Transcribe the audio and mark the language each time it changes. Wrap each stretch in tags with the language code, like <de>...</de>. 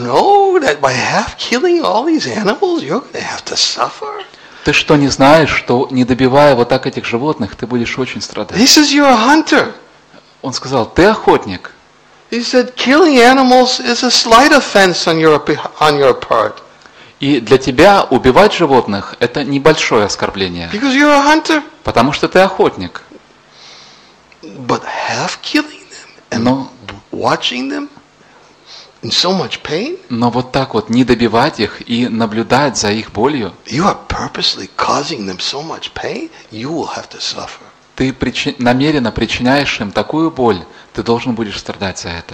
<en>Don't you know that by half killing all these animals, you're going to have to suffer?</en> <ru>Ты что, не знаешь, что не добивая вот так этих животных, ты будешь очень страдать?</ru> <en>This is your hunter.</en> <ru>Он сказал, ты охотник.</ru> <en>He said, killing animals is a slight offense on your part.</en> <ru>И для тебя убивать животных – это небольшое оскорбление.</ru> <en>Because you're a hunter.</en> <ru>Потому что ты охотник.</ru> <en>But half killing them and watching them in so much pain?</en> <ru>Но вот так вот не добивать их и наблюдать за их болью?</ru> <en>You are purposely causing them so much pain, you will have to suffer.</en> <ru>Ты намеренно причиняешь им такую боль, ты должен будешь страдать за это.</ru>